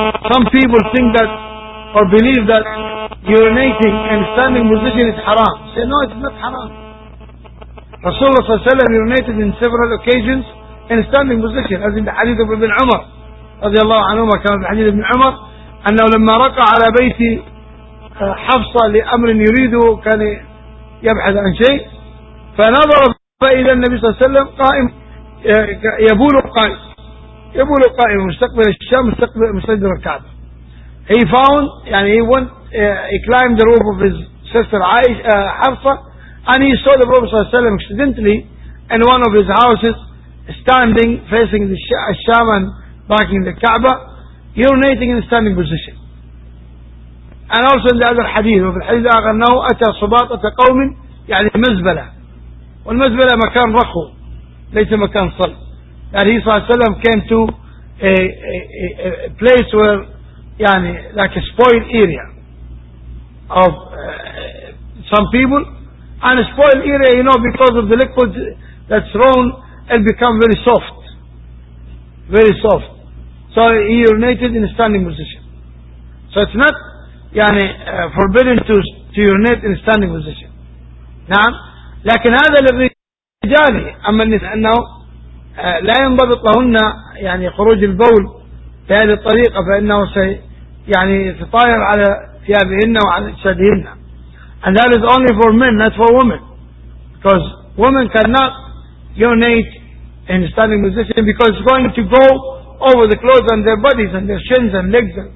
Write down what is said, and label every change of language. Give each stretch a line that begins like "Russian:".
English: Some people think that or believe that urinating in standing position is haram. Say, no, it's not haram. Rasulullah صلى الله عليه وسلم urinated in several occasions in standing position, as in the hadith of Ibn Umar رضي الله عنهما,
Arabic: كما في حديث ابن عمر أنه لما رقع على بيت حفصة لأمر يريده كان يبحث عن شيء, فنظر فإذا النبي صلى الله عليه وسلم قائم يبول قائم, يبول قائم مستقبل الشام مستقبل الكعبة.
English: He found he climbed the roof of his sister حفصة and he saw the Prophet صلى الله عليه وسلم accidentally in one of his houses standing facing the الشام and backing the Kaaba, urinating in a standing position. And also in the other hadith,
Arabic: وفي الحديث الآخر أنه أتى صباطة قوم مزبلة, والمزبلة مكان رخو ليس مكان صلب.
English: That he صلى الله عليه وسلم came to a place where like a spoiled area of some people, and a spoiled area because of the liquid that's thrown, it become very soft, very soft. So he urinated in a standing position. So it's not forbidden to urinate in a standing position.
Arabic: نعم لكن هذا للرجال, أما النساء أنه لا ينضبط لهن خروج البول بهذه الطريقة, فإنه تطاير على ثيابهن وعلى جسدهن.
English: And that is only for men, not for women, because women cannot urinate in a standing position because it's going to go over the clothes and their bodies and their shins and legs.